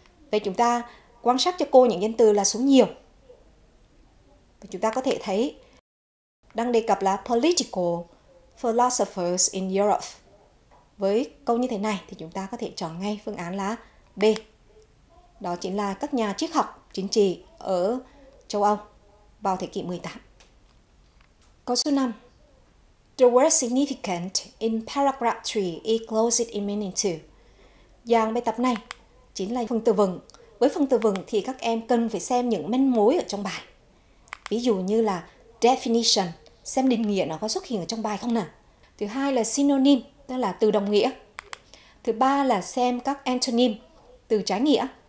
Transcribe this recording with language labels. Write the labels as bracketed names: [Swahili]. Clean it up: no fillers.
[Vietnamese] Vậy chúng ta quan sát cho cô những danh từ là số nhiều. Và chúng ta có thể thấy đang đề cập là [English] political philosophers in Europe. [Vietnamese] Với câu như thế này thì chúng ta có thể chọn ngay phương án là B. Đó chính là các nhà triết học chính trị ở châu Âu vào thế kỷ 18. Câu số 5. [English] The word significant in paragraph 3 is closed in meaning 2. [Vietnamese] Dạng bài tập này chính là phần từ vựng. Với phần từ vựng thì các em cần phải xem những manh mối ở trong bài. Ví dụ như là definition, xem định nghĩa nó có xuất hiện ở trong bài không nè. Thứ hai là synonym, tức là từ đồng nghĩa. Thứ ba là xem các antonym, từ trái nghĩa.